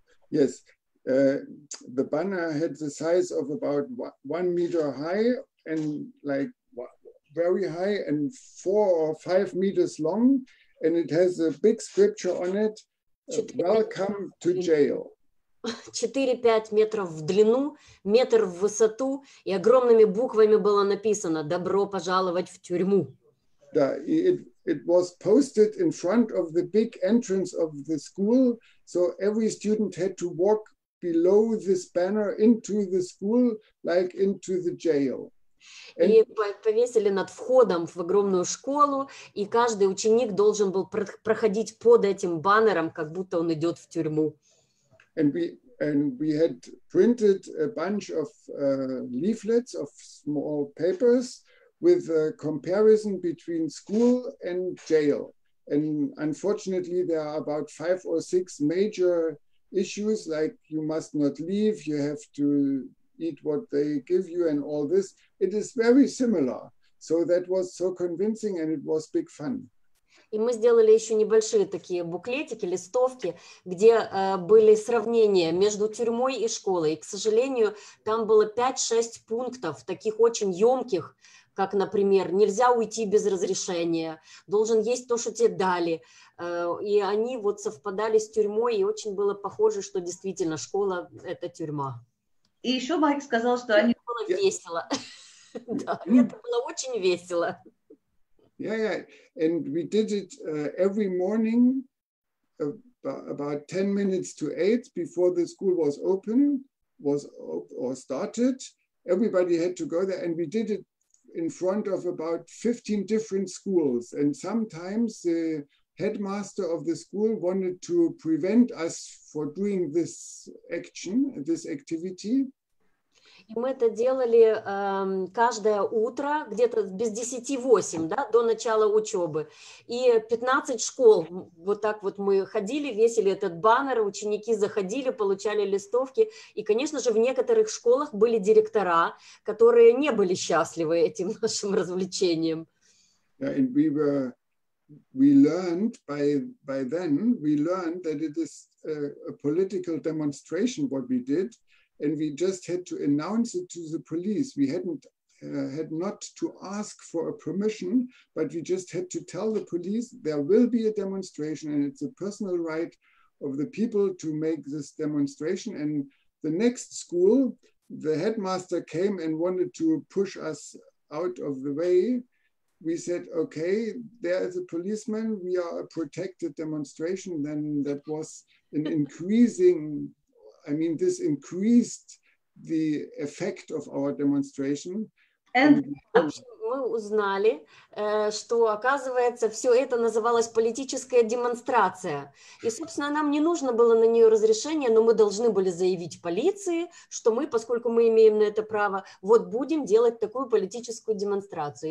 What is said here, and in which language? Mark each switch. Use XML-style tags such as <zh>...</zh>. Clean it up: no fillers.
<en>Yes, the banner had the size of about 1 meter high and like very high and 4 or 5 meters long. And it has a big scripture on it, welcome to jail.</en> <ru>4-5 метров в длину, метр в высоту, и огромными буквами было написано «Добро пожаловать в тюрьму». Да,</ru> <en>it was posted in front of the big entrance of the school, so every student had to walk below this banner into the school, like into the jail.</en> <ru>И повесили над входом в огромную школу, и каждый ученик должен был проходить под этим баннером, как будто он идет в тюрьму.</ru> <en>And we had printed a bunch of leaflets of small papers with a comparison between school and jail. And unfortunately, there are about 5 or 6 major issues, like you must not leave, you have to eat what they give you and all this. It is very similar. So that was so convincing and it was big fun.</en> <ru>И мы сделали еще небольшие такие буклетики, листовки, где были сравнения между тюрьмой и школой. И, к сожалению, там было 5-6 пунктов, таких очень емких, как, например, нельзя уйти без разрешения, должен есть то, что тебе дали. И они вот совпадали с тюрьмой, и очень было похоже, что действительно школа – это тюрьма. И еще Майк сказал, что они... Было весело. Да, это было очень весело.</ru> <en>Yeah, and we did it every morning, about 10 minutes to 8, before the school was open, started. Everybody had to go there, and we did it in front of about 15 different schools. And sometimes the headmaster of the school wanted to prevent us from doing this action, this activity.</en> <ru>И мы это делали каждое утро, где-то без 10:08, да, до начала учебы. И 15 школ, вот так вот мы ходили, весили этот баннер, ученики заходили, получали листовки. И, конечно же, в некоторых школах были директора, которые не были счастливы этим нашим развлечением.</ru> <en>Yeah, and we learned that it is a political demonstration what we did. And we just had to announce it to the police. We had not to ask for a permission, but we just had to tell the police there will be a demonstration and it's a personal right of the people to make this demonstration. And the next school, the headmaster came and wanted to push us out of the way. We said, okay, there is a policeman, we are a protected demonstration. Then that was an increasing... I mean, this increased the effect of our demonstration. And</en> <ru>мы узнали, что оказывается, все это называлось политическая демонстрация. И, собственно, нам не нужно было на нее разрешение, но мы должны были заявить полиции, что мы, поскольку мы имеем на это право, вот будем делать такую политическую демонстрацию.</ru>